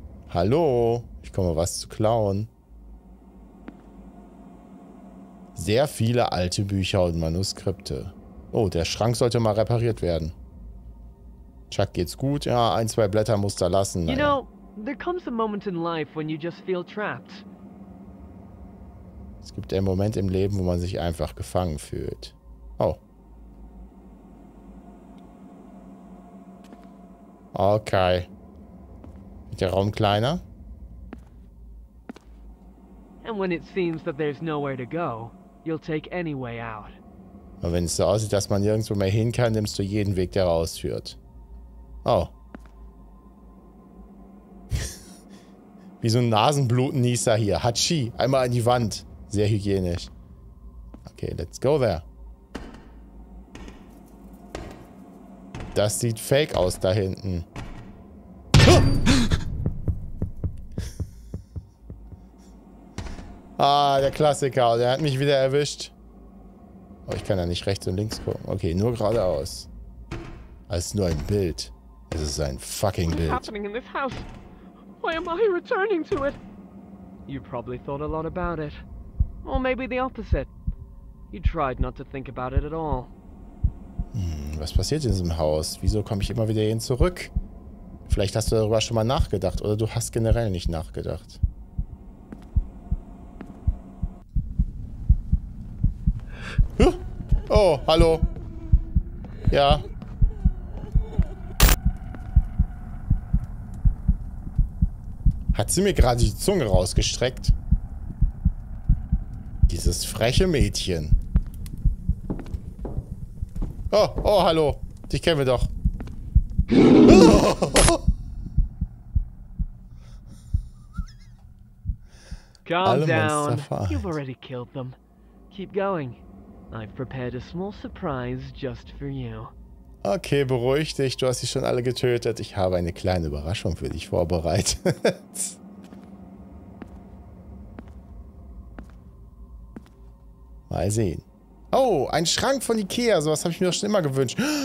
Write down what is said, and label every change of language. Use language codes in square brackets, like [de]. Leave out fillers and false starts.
[de] Hallo? Ich komme, was zu klauen. Sehr viele alte Bücher und Manuskripte. Oh, der Schrank sollte mal repariert werden. Chuck, geht's gut? Ja, ein, zwei Blätter musst du lassen. [en] You know, there comes a moment in life when you just feel trapped. [de] Es gibt einen Moment im Leben, wo man sich einfach gefangen fühlt. Oh. Okay. Wird der Raum kleiner? [en] And when it seems that there's nowhere to go, you'll take any way out. [de] Und wenn es so aussieht, dass man nirgendwo mehr hin kann, nimmst du jeden Weg, der rausführt. Oh. Wie so ein Nasenblutennießer hier. Hatschi, einmal an die Wand. Sehr hygienisch. [en] Okay, let's go there. [de] Das sieht fake aus da hinten. Ah, der Klassiker. Der hat mich wieder erwischt. Oh, ich kann ja nicht rechts und links gucken. Okay, nur geradeaus. Als nur ein Bild. Es ist ein fucking Bild. [en] What's happening in this house? Why am I returning to it? You probably thought a lot about it. Or maybe the opposite. You tried not to think about it at all. [de] Was passiert in diesem Haus? Wieso komme ich immer wieder hin zurück? Vielleicht hast du darüber schon mal nachgedacht oder du hast generell nicht nachgedacht. Oh, hallo. Ja. Hat sie mir gerade die Zunge rausgestreckt? Dieses freche Mädchen. Oh, oh, hallo. Dich kennen wir doch. [en] Calm down. You've already killed them. Keep going. I've prepared a small surprise just for you. [de] Okay, beruhig dich. Du hast sie schon alle getötet. Ich habe eine kleine Überraschung für dich vorbereitet. Mal sehen. Oh, ein Schrank von Ikea. Sowas habe ich mir doch schon immer gewünscht.